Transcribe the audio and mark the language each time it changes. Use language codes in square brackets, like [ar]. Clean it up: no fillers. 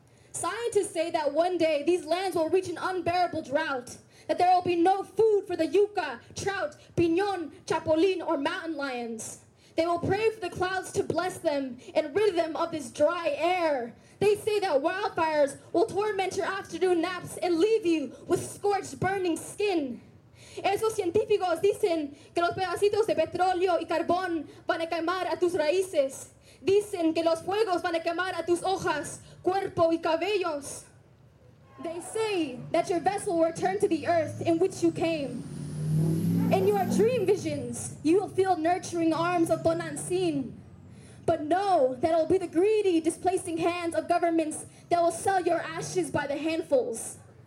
[en] Scientists say that one day these lands will reach an unbearable drought, that there will be no food for the yuca, trout, piñon, chapulín, or mountain lions. They will pray for the clouds to bless them and rid them of this dry air. They say that wildfires will torment your afternoon naps and leave you with scorched, burning skin. [es] Esos científicos dicen que los pedacitos de petróleo y carbón van a quemar a tus raíces. Dicen que los fuegos van a quemar a tus hojas, cuerpo y cabellos. [en] They say that your vessel will return to the earth in which you came. In your dream visions, you will feel nurturing arms of Bonansin. But know that it will be the greedy, displacing hands of governments that will sell your ashes by the handfuls.